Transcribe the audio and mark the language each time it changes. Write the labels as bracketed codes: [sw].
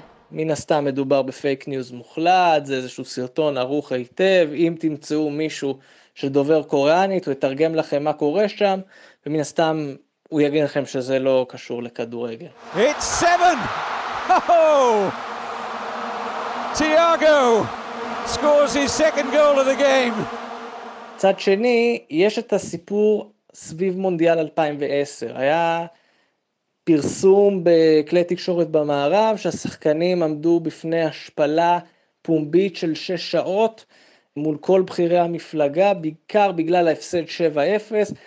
[he] מן הסתם מדובר בפייק ניוז מוחלט, זה איזשהו סרטון ערוך היטב, אם תמצאו מישהו שדובר קוריאנית, הוא יתרגם לכם מה קורה שם, ומן הסתם הוא יגיד לכם שזה לא קשור לכדורגל. [en] It's seven! Thiago scores his second goal of the game. [he] צד שני, יש את הסיפור סביב מונדיאל 2010. היה פרסום בכלי תקשורת במערב שהשחקנים עמדו בפני השפלה פומבית של 6 שעות מול כל בכירי המפלגה, בעיקר בגלל ההפסד 7-0.